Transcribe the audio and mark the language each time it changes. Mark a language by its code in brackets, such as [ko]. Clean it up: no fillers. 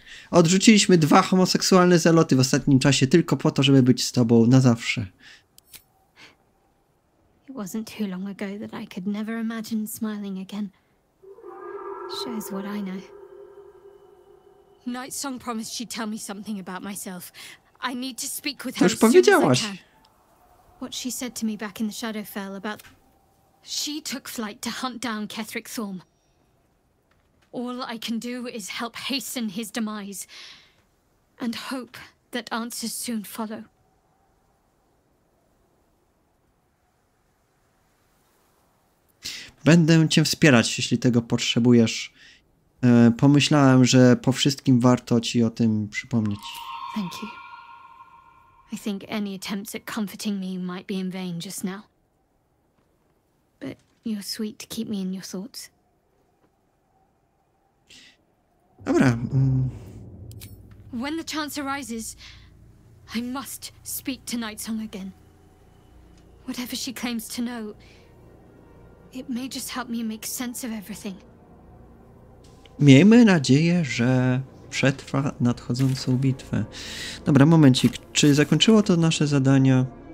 [pl] Odrzuciliśmy dwa homoseksualne zaloty w ostatnim czasie tylko po to, żeby być z tobą na zawsze. [en] It wasn't too long ago that I could never imagine smiling again. Shows what I know. Night Song promised she'd tell me something about myself. I need to speak with her. [pl] To już powiedziałaś. [en] What she said to me back in the Shadowfell about... She took flight to hunt down Kethric Thorm. All I can do is help hasten his demise. And hope that answers soon follow. [pl] Będę cię wspierać, jeśli tego potrzebujesz. Pomyślałem, że po wszystkim warto ci o tym przypomnieć. [en] Thank you. I think any attempts at comforting me might be in vain just now. But you're sweet to keep me in your thoughts. [pl] Dobra. [en] When the chance arises, I must speak to Night Song again. Whatever she claims to know, it may just help me make sense of everything. [pl] Miejmy nadzieję, że przetrwa nadchodzącą bitwę. Dobra, momencik. Czy zakończyło to nasze zadania?